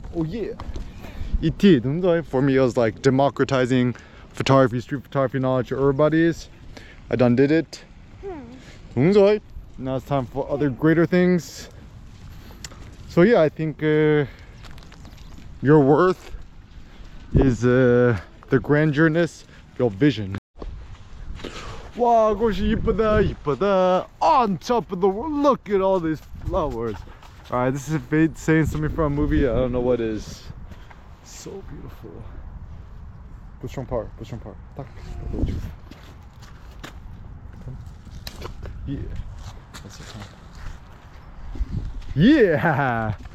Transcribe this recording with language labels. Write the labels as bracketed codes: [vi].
[en] Oh yeah, it did. For me, it was like democratizing photography, street photography knowledge to everybody's. I done did it. Hmm. Now it's time for other greater things. So yeah, I think your worth is the grandeurness of your vision. [ko] Wow, 꽃이 이쁘다, 이쁘다. [en] On top of the world, look at all these flowers. All right, this is Fade saying something from a movie. I don't know what it is. So beautiful. [ko] 꽃좀 봐, 꽃좀 봐. 딱. [en] Yeah. That's the time. Yeah.